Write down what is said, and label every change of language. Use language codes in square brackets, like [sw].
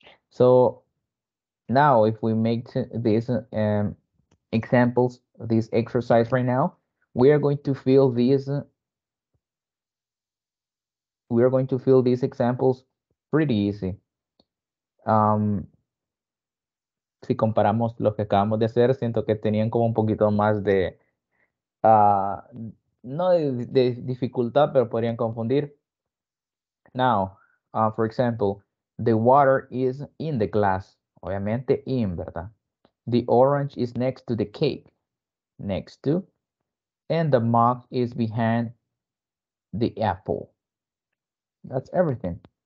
[en] So now if we make these examples, this exercise right now, we are going to fill these examples pretty easy. [es] Si comparamos lo que acabamos de hacer, siento que tenían como un poquito más de, no de dificultad, pero podrían confundir. [en] Now, for example, the water is in the glass. [es] Obviamente, [en] in, ¿verdad? The orange is next to the cake. Next to. And the mug is behind the apple. That's everything.